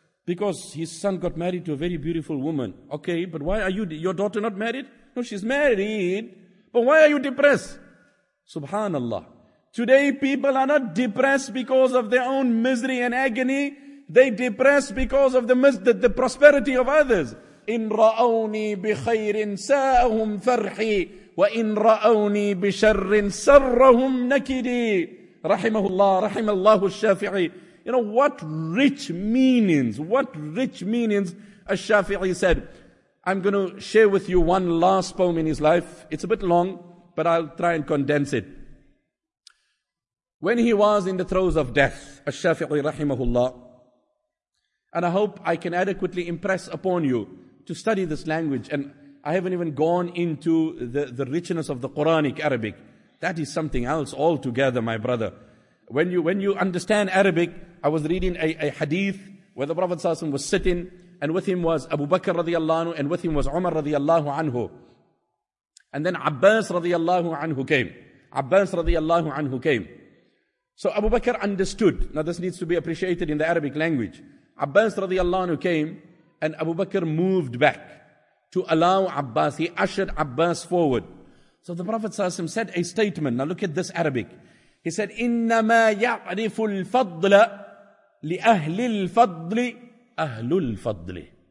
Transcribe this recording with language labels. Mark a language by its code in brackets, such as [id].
[en] Because his son got married to a very beautiful woman. Okay, but why are you, your daughter not married? No, she's married. But why are you depressed? Subhanallah. Today people are not depressed because of their own misery and agony. They depressed because of the prosperity of others. [ar] إن رأوني بخير ساءهم فرحي وإن رأوني بشر سرهم نكدي. رحمه الله, رحم الله الشافعي. [en] You know what rich meanings, what rich meanings الشافعي said. I'm going to share with you one last poem in his life. It's a bit long, but I'll try and condense it. When he was in the throes of death, الشافعي رحمه الله, and I hope I can adequately impress upon you to study this language, and I haven't even gone into the richness of the Quranic Arabic. That is something else altogether, my brother. When you understand Arabic, I was reading a hadith where the Prophet ﷺ was sitting, and with him was Abu Bakr radiallahu anhu, and with him was Umar radiallahu anhu. And then Abbas radiallahu anhu came. Abbas radiallahu anhu came. So Abu Bakr understood. Now this needs to be appreciated in the Arabic language. Abbas radiallahu anhu came, and Abu Bakr moved back to allow Abbas. He ushered Abbas forward. So the Prophet ﷺ said a statement. Now look at this Arabic. He said, [ar] إِنَّمَا يَعْرِفُ الْفَضْلَ لِأَهْلِ الْفَضْلِ أَهْلُ الْفَضْلِ.